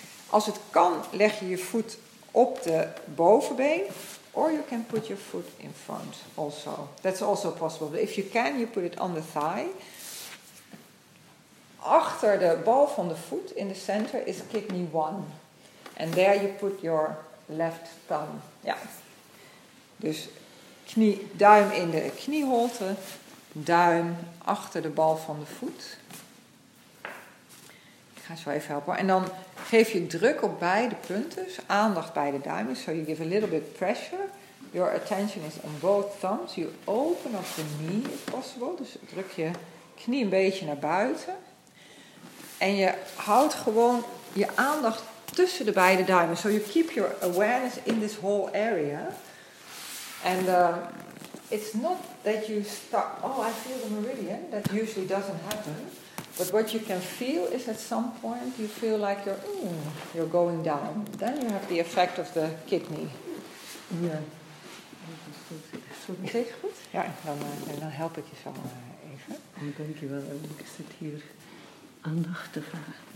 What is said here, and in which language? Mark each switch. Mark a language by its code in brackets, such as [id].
[nl] Als het kan, leg je je voet op de bovenbeen. [en] Or you can put your foot in front also. That's also possible. But if you can, you put it on the thigh. [nl] Achter de bal van de voet [en] in the center is kidney one. And there you put your left thumb. [nl] Ja. Dus knie, duim in de knieholte. Duim achter de bal van de voet. Ik ga zo even helpen. En dan geef je druk op beide punten. Dus aandacht bij de duimen. [en] So you give a little bit pressure. Your attention is on both thumbs. You open up the knee if possible. [nl] Dus druk je knie een beetje naar buiten. En je houdt gewoon je aandacht tussen de beide duimen. [en] So you keep your awareness in this whole area. And it's not that you start, oh, I feel the meridian. That usually doesn't happen. But what you can feel is at some point you feel like you're going down. Then you have the effect of the kidney. [nl] Ja. Zit het goed? Ja, dan help ik je zo even. Dank je wel. Ik zit hier aandacht te vragen.